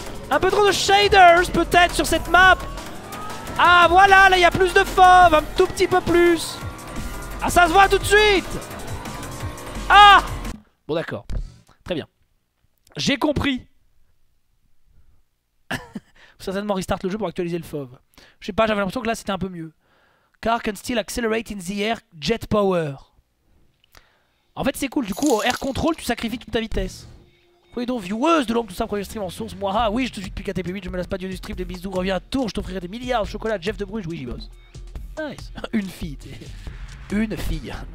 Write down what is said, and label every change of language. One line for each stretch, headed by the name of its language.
French: Un peu trop de shaders peut-être sur cette map. Ah voilà, là il y a plus de fauve, un tout petit peu plus. Ah ça se voit tout de suite. Ah. Bon d'accord, très bien. J'ai compris. Certainement restart le jeu pour actualiser le fauve. Je sais pas, j'avais l'impression que là c'était un peu mieux.
English: Car can still accelerate in the air jet power.
French: En fait c'est cool, du coup au air control tu sacrifies toute ta vitesse. Oui donc vieweuse de l'ombre tout ça premier stream en source. Moi ah oui je te suis depuis KTP8, je me lasse pas du stream, des bisous, reviens à Tours, je t'offrirai des milliards de chocolat, Jeff de Bruges, oui j'y bosse. Nice. Une fille, t'es. Une fille.